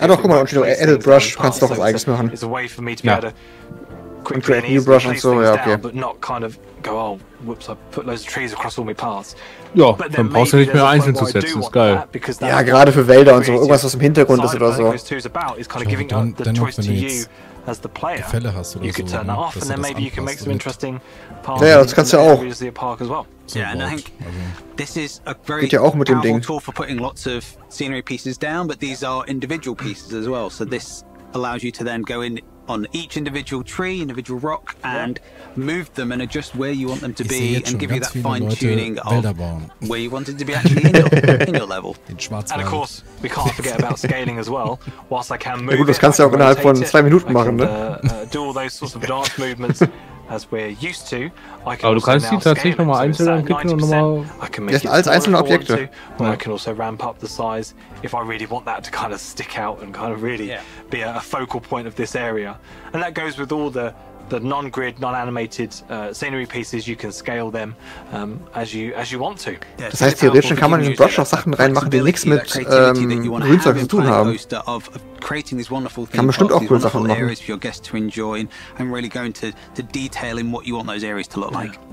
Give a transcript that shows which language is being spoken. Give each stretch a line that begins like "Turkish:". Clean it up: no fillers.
German: Ah, doch, guck mal, und du edit brush kannst doch was eigenes machen.
English: It's a way for me to be able to quickly create a new brush and so, okay. But not kind of go, oh, whoops, I put loads of trees across all my paths.
German: Ja, dann brauchst du nicht mehr einzeln zu setzen, ist geil. Ja, gerade für Wälder und so, irgendwas, was im Hintergrund ist oder so. Dennoch, wenn du jetzt Gefälle hast oder so, ne, dass du das anpasst. Ja, das kannst du ja auch. Geht ja auch mit dem Ding.
English: Tool for putting lots of scenery pieces down, but these are individual pieces as well. So this allows you to then go in on each individual tree, individual rock, and move them and adjust where you want them to be and give you that fine-tuning of where you want it to be actually in your level.
German: In Schwarzwald.
English: And of course, we can't forget about scaling as well. Whilst I can move
German: ja, gut, das kannst du auch innerhalb von zwei Minuten machen, ne?
English: Do all those sorts of dance movements. As we're used to, I can
German: aber du kannst sie tatsächlich nochmal einzeln anklicken und nochmal. Das sind alles einzelne Objekte. Und ich kann auch
English: ramp up the size, if I really want that to kind of stick out and kind of really be a focal point of this area. And that goes with all the non-grid, non-animated scenery pieces. You can scale them as you want to.
German: Das heißt, theoretisch kann man in den Brush auch Sachen reinmachen, die nichts mit Grünzeug zu tun haben.
English: Creating these wonderful things,
German: kann bestimmt auch cool Sachen machen.
English: For your guests to enjoy and really going to detail in what you want those areas to look like.